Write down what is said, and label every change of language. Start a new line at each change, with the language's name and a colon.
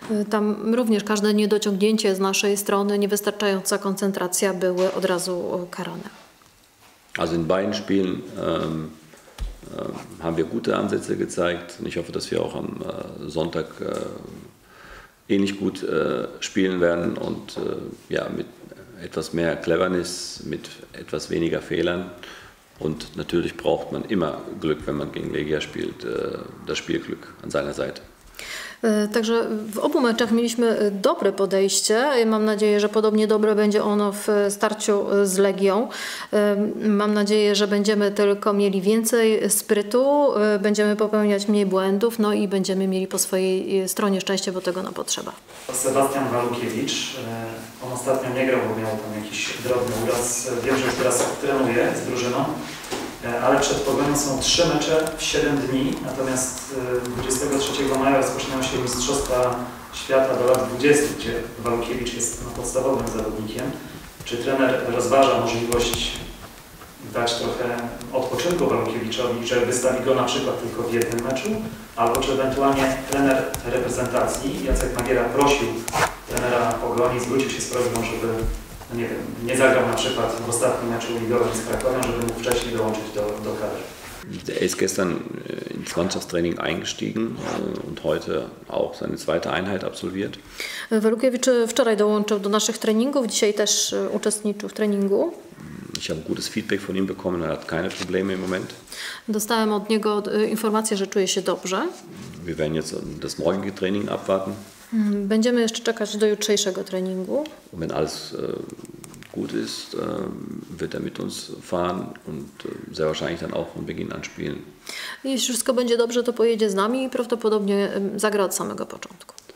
Polish: Tam również każde niedociągnięcie z naszej strony, niewystarczająca koncentracja były od razu karane.
German: Also in beiden Spielen haben wir gute Ansätze gezeigt. Und ich hoffe, dass wir auch am Sonntag ähnlich gut spielen werden und ja, mit etwas mehr Cleverness, mit etwas weniger Fehlern. Und natürlich braucht man immer Glück, wenn man gegen Legia spielt, das Spielglück an seiner Seite.
Polish: Także w obu meczach mieliśmy dobre podejście. Mam nadzieję, że podobnie dobre będzie ono w starciu z Legią. Mam nadzieję, że będziemy tylko mieli więcej sprytu, będziemy popełniać mniej błędów, no i będziemy mieli po swojej stronie szczęście, bo tego nam potrzeba. Sebastian Walukiewicz, on ostatnio nie grał, bo miał tam jakiś drobny uraz. Wiem, że już teraz trenuje z drużyną. Ale przed Pogonią są 3 mecze w 7 dni, natomiast 23 maja rozpoczynają się Mistrzostwa Świata do lat 20, gdzie Walukiewicz jest podstawowym zawodnikiem. Czy trener rozważa możliwość dać trochę odpoczynku Walukiewiczowi, że wystawi go na przykład tylko w jednym meczu? Albo czy ewentualnie trener reprezentacji, Jacek Magiera, prosił trenera Pogoni, zwrócił się z prośbą, żeby nie zagrał na przykład w ostatnim meczu ligowym z Krakowem, żeby mógł wcześniej dołączyć do kadry.
German: Er ist gestern ins Mannschaftstraining eingestiegen und heute auch seine zweite Einheit absolviert.
Polish: Walukiewicz wczoraj dołączył do naszych treningów, dzisiaj też uczestniczył w treningu.
German: Ich habe gutes Feedback von ihm bekommen, er hat keine Probleme im Moment.
Polish: Dostałem od niego informację, że czuje się dobrze.
German: Wir werden jetzt das morgige Training abwarten.
Polish: Będziemy jeszcze czekać do jutrzejszego treningu.
German: Wenn alles gut ist, wird mit uns fahren und sehr wahrscheinlich dann auch von Beginn an spielen.
Polish: Jeśli wszystko będzie dobrze, to pojedzie z nami i prawdopodobnie zagra od samego początku.